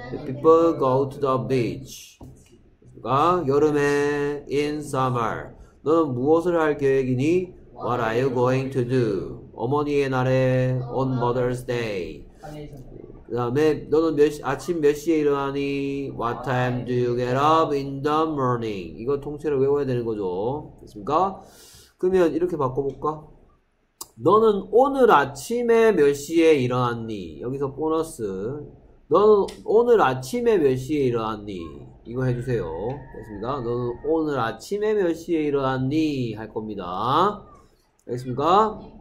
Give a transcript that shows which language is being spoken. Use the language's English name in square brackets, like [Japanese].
[English] People go to the beach. 됐습니까? 여름에 in summer. [Korean] 너는 무엇을 할 계획이니? [English] What are you going to do? [Korean] 어머니의 날에 [English] on Mother's Day. [Korean] 그 다음에 너는 아침 몇 시에 일어나니? [English] What time do you get up in the morning? [Korean] 이거 통째로 외워야 되는 거죠. 됐습니까? 그러면 이렇게 바꿔볼까? 너는 오늘 아침에 몇 시에 일어났니? 여기서 보너스. 너는 오늘 아침에 몇 시에 일어났니? 이거 해주세요. 됐습니까? 너는 오늘 아침에 몇 시에 일어났니? 할 겁니다. 알겠습니까?